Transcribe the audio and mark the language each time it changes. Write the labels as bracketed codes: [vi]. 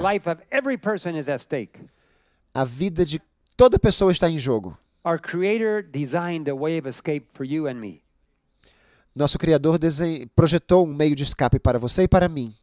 [en] The life of every person is at stake. [pt] A vida de toda pessoa está em jogo. [en] Our Creator designed a way of escape for you and me. [pt] Nosso Criador projetou um meio de escape para você e para mim.